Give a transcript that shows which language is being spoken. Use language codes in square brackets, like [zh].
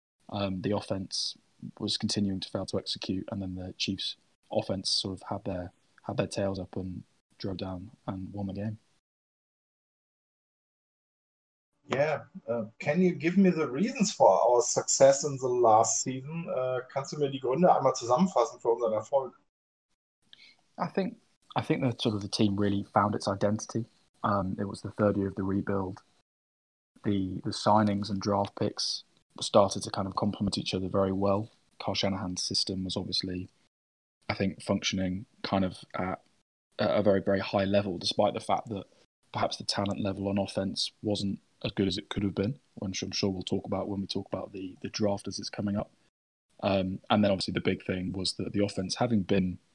[en] The offense was continuing to fail to execute, and then the Chiefs' offense sort of had their tails up and drove down and won the game. Yeah. Can you give me the reasons for our success in the last season? [de] Kannst du mir die Gründe einmal zusammenfassen für unseren Erfolg? [en] I think that sort of the team really found its identity. It was the third year of the rebuild. The signings and draft picks started to kind of complement each other very well. Kyle Shanahan's system was obviously, I think, functioning kind of at a very, very high level, despite the fact that perhaps the talent level on offense wasn't as good as it could have been, which I'm sure we'll talk about when we talk about the draft as it's coming up. And then obviously the big thing was that the offense, having been